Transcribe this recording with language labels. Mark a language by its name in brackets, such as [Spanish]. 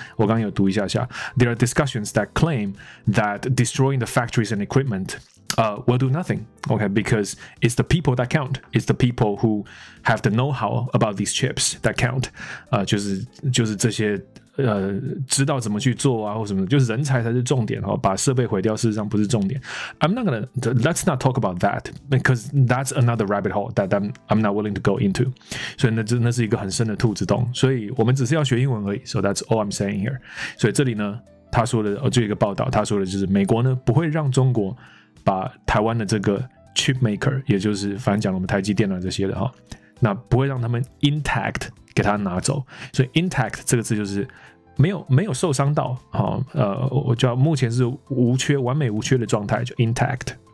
[Chinese] 我刚刚有读一下下 [English] ，there are discussions that claim that destroying the factories and equipment. Will do nothing, okay? Because it's the people that count. It's the people who have the know-how about these chips that count. [Chinese] 就是这些知道怎么去做啊，或什么，就是人才才是重点哈、哦。把设备毁掉，事实上不是重点。 [English] Let's not talk about that because that's another rabbit hole that I'm not willing to go into. [Chinese] 所以那是一个很深的兔子洞。所以我们只是要学英文而已。 [English] So that's all I'm saying here. [Chinese] 所以这里呢，他说的这一个报道，他说的就是美国呢不会让中国。把台湾的这个 chip maker， 也就是反正讲我们台积电啊这些的哈，那不会让他们 intact 给他拿走，所以 intact 这个字就是没有受伤到哈，我叫目前是无缺完美无缺的状态，就 intact。